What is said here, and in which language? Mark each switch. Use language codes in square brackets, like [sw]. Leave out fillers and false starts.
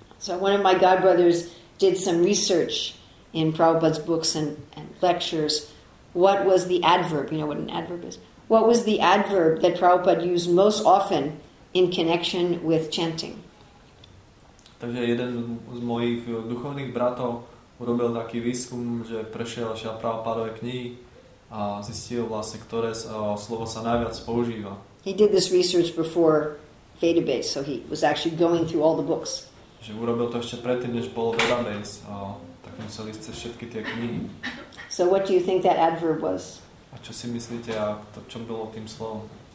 [en] So one of my god brothers did some research in Prabhupada's books and lectures. What was the adverb? You know what an adverb is? What was the adverb that Prabhupada used most often in connection with chanting? [sk] Takže jeden z mojich duchovných bratov urobil taký výskum, že prešiel a šiel Prabhupadové knihy a zistil vlastne, ktoré slovo sa najviac používa. [en] He did this research before Vedabase, so he was actually going through all the books. [sk] Že urobil to ešte predtým, než bol Vedabase. Tak museli ísť cez všetky tie knihy. [en] So what do you think that adverb was? [sk] A čo si myslíte, a to, čo bolo tým slovom?